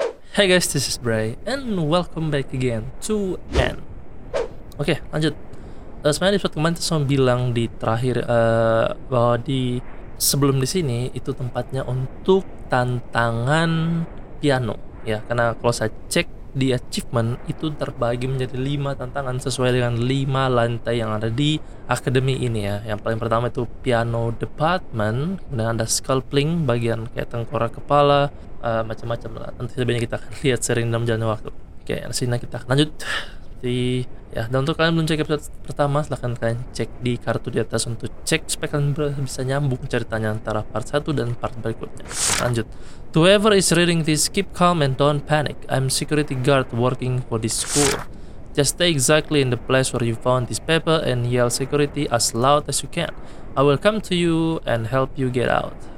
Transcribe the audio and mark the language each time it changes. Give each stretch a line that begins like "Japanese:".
English: Hey guys, this is Bray and welcome back again to N.
Indonesian: Oke, lanjut. Sebenarnya episode kemarin tuh sama bilang di terakhir bahwa di sebelum di sini itu tempatnya untuk tantangan piano ya, karena kalau saya cek di achievement itu terbagi menjadi 5 tantangan sesuai dengan 5 lantai yang ada di akademi ini ya. Yang paling pertama itu piano department, kemudian ada sculpting bagian kayak tengkorak kepala, macam-macam lah. Nanti sebenarnya kita akan lihat sering dalam jalan waktu. Oke, sini kita akan lanjut. Jadi, ya, dan untuk kalian belum cek episode pertama, silahkan kalian cek di kartu di atas untuk cek supaya kalian bisa nyambung ceritanya antara part 1 dan part berikutnya. Lanjut.
English: To whoever is reading this, keep calm and don't panic. I'm security guard working for this school. Just stay exactly in the place where you found this paper and yell security as loud as you can. I will come to you and help you get out.